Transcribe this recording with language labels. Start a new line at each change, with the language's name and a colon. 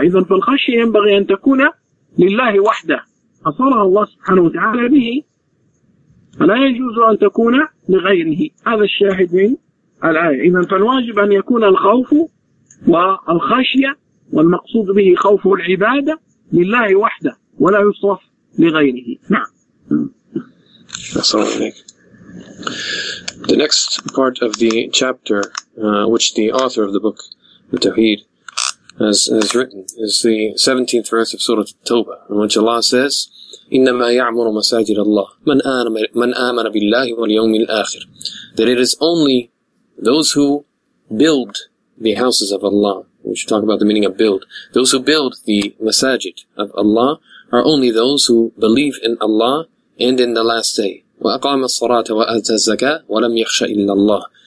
Arabic: إذن فالخشية ينبغي أن تكون لله وحده، أصرها الله سبحانه وتعالى به، فلا يجوز أن تكون لغيره، هذا الشاهد من الآية. إذن فالواجب أن يكون الخوف والخشية والمقصود به خوف العبادة لله وحده ولا يصرف لغيره. نعم. السلام عليكم.
English: The next part of the chapter which the author of the book التوحيد has written is the 17th verse of Surah At-Tawbah, in which Allah says,
Arabic: إنما يعمر مساجد الله من آمن بالله واليوم الآخر.
English: That it is only those who build the houses of Allah. We should talk about the meaning of build. Those who build the masajid of Allah are only those who believe in Allah and in the last day.
Arabic: وَأَقَامَ الصَّرَاةَ وَأَتَى الزَّكَاةَ وَلَمْ يَخْشَ إِلَّا اللَّهِ.